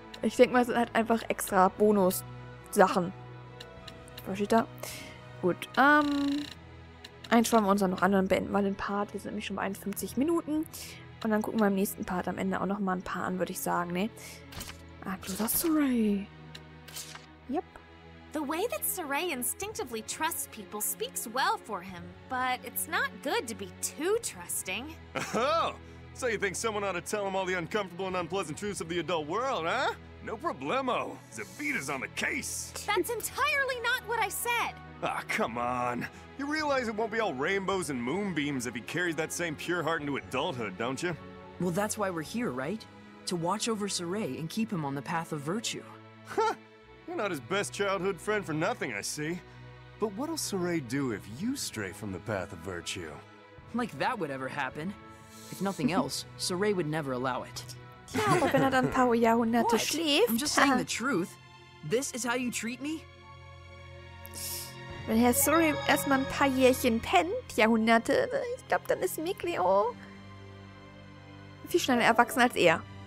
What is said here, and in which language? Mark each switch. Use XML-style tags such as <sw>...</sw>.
<de>Ich denke mal, es sind halt einfach extra Bonus-Sachen. Versteht ihr? Gut, eins schauen wir uns dann noch an und beenden mal den Part. Wir sind nämlich schon bei 51 Minuten. Und dann gucken wir im nächsten Part am Ende auch noch mal ein paar an, würde ich sagen, ne? Aglosasurai. Yep.</de> <en>The way that Saray instinctively trusts people speaks well for him, but it's not good to be too trusting. Oh, so you think someone ought to tell him all the uncomfortable and unpleasant truths of the adult world, huh? No problemo. Zavita is on the case. That's entirely not what I said. Ah, come on. You realize it won't be all rainbows and moonbeams if he carries that same pure heart into adulthood, don't you? Well, that's why we're here, right? To watch over Saray and keep him on the path of virtue. Huh. You're not his best childhood friend for nothing, I see. But what'll Saray do if you stray from the path of virtue? Like that would ever happen. If nothing else, Saray would never allow it.</en> <de>Ja, aber wenn dann ein paar Jahrhunderte schläft...</de> <en>I'm just saying the truth. This is how you treat me?</en> <de>Wenn Herr Saray erstmal ein paar Jährchen pennt, Jahrhunderte, ich glaube, dann ist Miglio viel schneller erwachsen als er.</de>